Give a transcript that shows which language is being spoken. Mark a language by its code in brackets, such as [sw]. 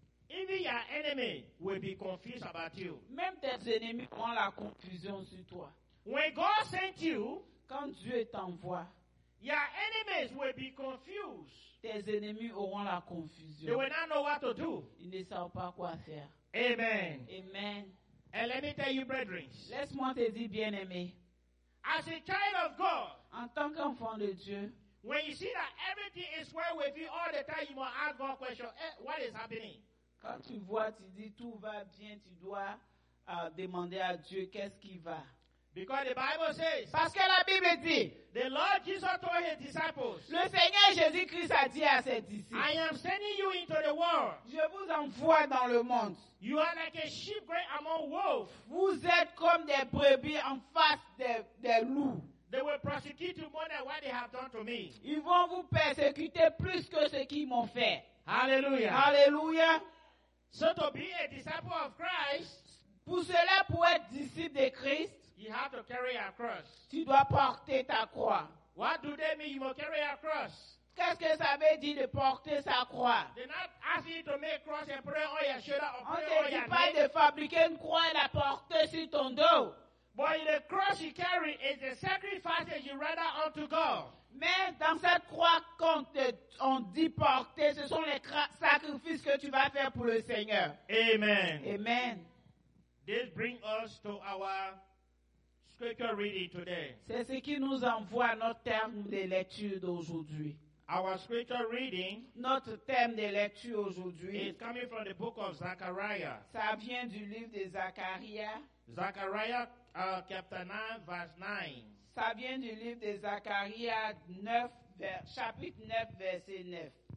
[en] even your enemy will be confused about you. [fr] Même tes ennemis ont la confusion sur toi. [en] When God sent you, [fr] quand Dieu t'envoie, [en] your enemies will be confused. [fr] Tes ennemis auront la confusion. [en] They will not know what to do. [fr] Ils ne savent pas quoi faire. [en] Amen. [fr] Amen. [en] And let me tell you, brethren. [fr] Laisse-moi te dire, bien-aimé. [en] As a child of God, [fr] en tant qu'enfant de Dieu, [en] when you see that everything is well with you all the time, you must ask God a question, hey, what is happening? [fr] Quand tu vois, tu dis tout va bien, tu dois demander à Dieu qu'est-ce qui va. [en] Because the Bible says, [fr] parce que la Bible dit, [en] the Lord Jesus told his disciples, [fr] le Seigneur Jésus-Christ a dit à ses disciples, [en] I am sending you into the world. [fr] Je vous envoie dans le monde. [en] You are like a sheep great among wolves. [fr] Vous êtes comme des brebis en face des loups. [en] They will prosecute you more than what they have done to me. [fr] Ils vont vous persécuter plus que ce qu'ils m'ont fait. [en] Hallelujah. [fr] Hallelujah. [en] So to be a disciple of Christ, [fr] pour cela, pour être disciple de Christ, [en] you have to carry a cross. [fr] Tu dois porter ta croix. [en] What do they mean? You must carry a cross. [fr] Qu'est-ce que ça veut dire de porter sa croix? [en] They're not asking you to make a cross and put it on your shoulder or [fr] on [en] put it on [fr] dit [en] your [fr] pas [en] neck. [fr] De fabriquer une croix et la porter sur ton dos. [en] But the cross you carry is the sacrifice that you render unto God. [fr] Mais dans cette croix qu'on dit porter, ce sont les sacrifices que tu vas faire pour le Seigneur. [en] Amen. [fr] Amen. [en] This brings us to our scripture reading today. [fr] C'est ce qui nous envoie à notre terme de lecture d'aujourd'hui. [en] Our scripture reading, [fr] notre thème de lecture aujourd'hui, [en] is coming from the book of Zechariah. [fr] Ça vient du livre de Zachariah. [en] Zechariah chapter 9, verse 9. [fr] Ça vient du livre de Zachariah 9, chapitre 9, verset 9.